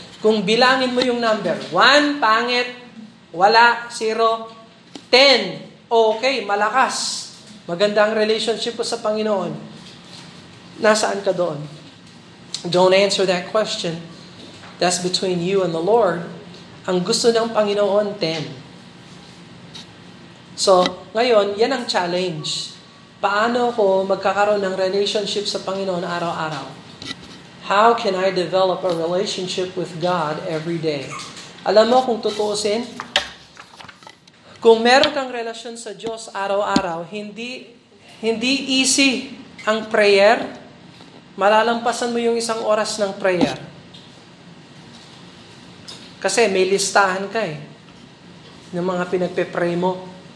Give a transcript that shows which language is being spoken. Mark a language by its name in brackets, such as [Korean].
[Filipino] Kung bilangin mo yung number, 1, pangit, wala, 0, 10, okay, malakas, magandang relationship mo sa Panginoon, nasaan ka doon? [English] Don't answer that question. That's between you and the Lord. [Filipino] Ang gusto ng Panginoon, 10. So, ngayon, yan ang challenge. Paano ko magkakaroon ng relationship sa Panginoon araw-araw? [English] How can I develop a relationship with God every day? [Filipino] Alam mo kung tutuusin, Kung meron kang relasyon sa Diyos araw-araw, hindi easy ang prayer. Malalampasan mo yung isang oras ng prayer. Kasi may listahan ka eh, ng mga pinagpe-pray mo.